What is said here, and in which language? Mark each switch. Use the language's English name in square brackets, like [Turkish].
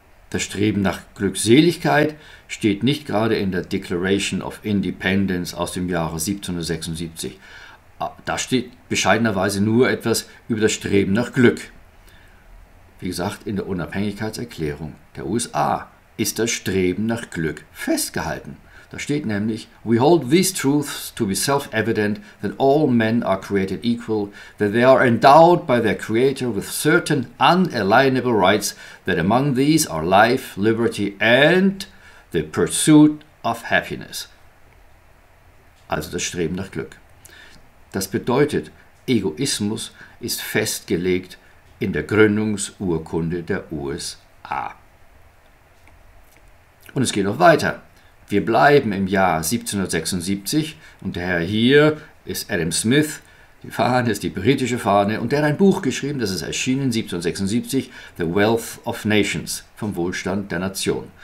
[German] Das Streben nach Glückseligkeit steht nicht gerade in der Declaration of Independence aus dem Jahre 1776. Da steht bescheidenerweise nur etwas über das Streben nach Glück. Wie gesagt, in der Unabhängigkeitserklärung der USA ist das Streben nach Glück festgehalten. [English] Da steht nämlich, we hold these truths to be self-evident, that all men are created equal, that they are endowed by their creator with certain unalienable rights, that among these are life, liberty and the pursuit of happiness. [German] Also das Streben nach Glück. Das bedeutet, Egoismus ist festgelegt in der Gründungsurkunde der USA. Und es geht noch weiter. Wir bleiben im Jahr 1776 und der Herr hier ist Adam Smith, die Fahne ist die britische Fahne und der hat ein Buch geschrieben, das ist erschienen 1776, The Wealth of Nations, vom Wohlstand der Nation.